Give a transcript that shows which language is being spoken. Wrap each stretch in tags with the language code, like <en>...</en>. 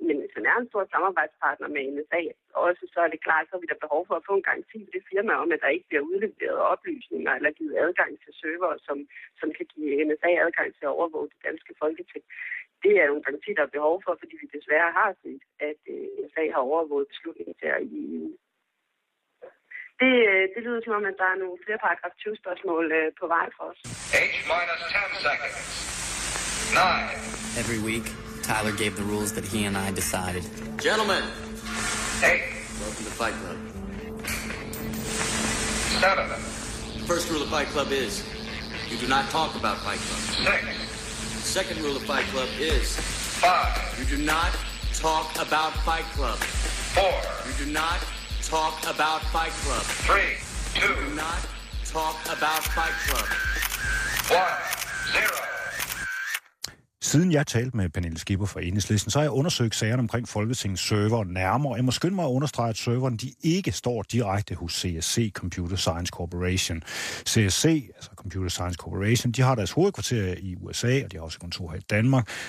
<da>Men hvis man er en stor samarbejdspartner med NSA, også, så er det klart, så er vi der behov for at få en garanti ved det firma om, at der ikke bliver udleveret oplysninger eller givet adgang til server, som kan give NSA adgang til at overvåge det danske Folketing. Det er jo en garanti, der er behov for, fordi vi desværre har set, at NSA har overvåget beslutningen til i EU. Det lyder som om, at der er nogle flere paragraf 20-spørgsmål på vej for os.</da> <en>H-10 seconds. 9. Every week, Tyler gave the rules that he and I decided. Gentlemen. 8. Welcome to Fight Club. 7. The first rule of Fight Club is, you do not talk about Fight Club. 6. Second rule of Fight Club is 5. You do not talk about Fight Club. 4. You do not talk about Fight Club. 3. Do not talk about Fight Club. 1-0.</en> <da>Siden jeg talte med Pernille Skipper fra Enhedslisten, så har jeg undersøgt sagerne omkring Folketingets server nærmere. Jeg må skynde mig at understrege, at serveren de ikke står direkte hos CSC, Computer Science Corporation. CSC, altså Computer Science Corporation, de har deres hovedkvarter i USA, og de har også kontor her i Danmark.</da>